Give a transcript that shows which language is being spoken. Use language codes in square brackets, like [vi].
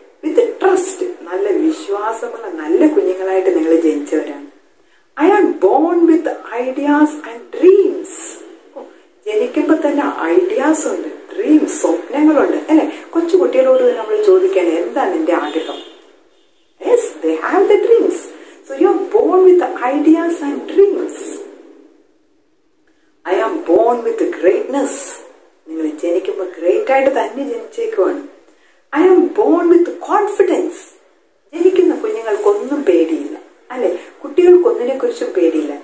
[en] with trust, [ml] നല്ല വിശ്വാസമുള്ള നല്ല കുഞ്ഞുങ്ങളായിട്ട് നിങ്ങൾ ജനിച്ചവരാണ്. [en] I am born with ideas and dreams. [ml] ജനിക്കുമ്പോ തന്നെ ഐഡിയാസ് ഉണ്ട്, ഡ്രീംസ്, സ്വപ്നങ്ങളുണ്ട് അല്ലെ. കൊച്ചു കുട്ടികളോട് നമ്മൾ ചോദിക്കാൻ, എന്താണ് നിന്റെ ആഗ്രഹം? [en] Yes, they have the dreams. So you are born with ideas and dreams. I am born with greatness. [ml] നിങ്ങളെ ജനിക്കുമ്പോൾ ഗ്രേറ്റ് ആയിട്ട് തന്നെ ജനിച്ചേക്കുവാണ്. [en] I am born with confidence. [ml] ജനിക്കുന്ന കുഞ്ഞുങ്ങൾക്കൊന്നും പേടിയില്ല അല്ലെ, കുട്ടികൾക്കൊന്നിനെ കുറിച്ചും പേടിയില്ല.